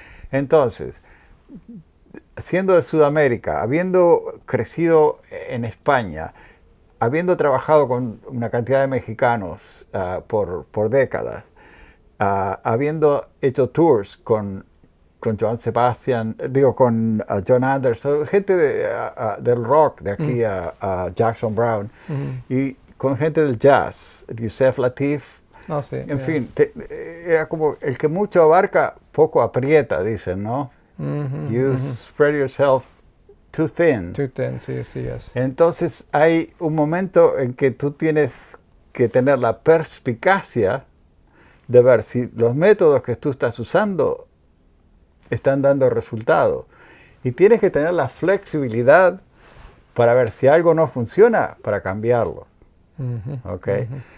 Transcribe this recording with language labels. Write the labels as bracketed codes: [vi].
[es] Entonces, siendo de Sudamérica, habiendo crecido en España, habiendo trabajado con una cantidad de mexicanos por décadas, habiendo hecho tours con Joan Sebastian, digo, con John Anderson, gente del rock de aquí a Jackson Brown, y con gente del jazz, Yusef No sé, Latif, en fin, era como el que mucho abarca, poco aprieta, dicen, ¿no? [en] You spread yourself too thin. Too thin, [es] sí, así es. Entonces hay un momento en que tú tienes que tener la perspicacia de ver si los métodos que tú estás usando están dando resultado. Y tienes que tener la flexibilidad para ver si algo no funciona para cambiarlo. ¿Okay?